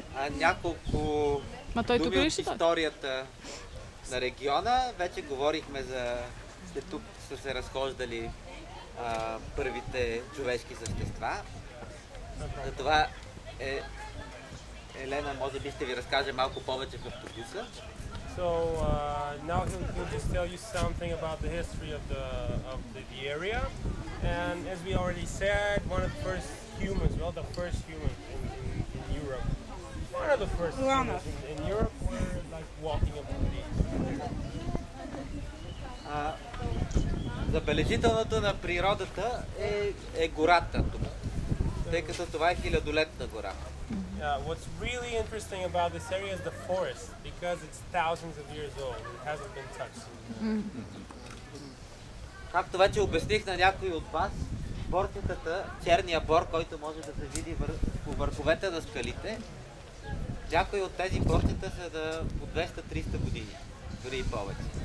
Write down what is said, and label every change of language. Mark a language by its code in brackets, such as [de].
[bg] Няколко думи от историята на региона. Вече говорихме за че тук са се разхождали първите човешки същества. Затова Елена, може би ще ви разкаже малко повече в автобуса. [en] So now he'll just tell you something about the history of the area. And as we already said, one of the first humans, well, the first human in Europe. One of the first humans in Europe were like walking among these. [bg] Забележителното на природата е гората тук. Тъй като това е хилядолетна гора. [en] What's really interesting about this area is the forest, because it's thousands of years old. It hasn't been touched. [bg] Както вече обясних на някои от вас, борчетата, черния бор, който може да се види по върховете на скалите, някои от тези борчета са да по 200-300 години, дори и повече.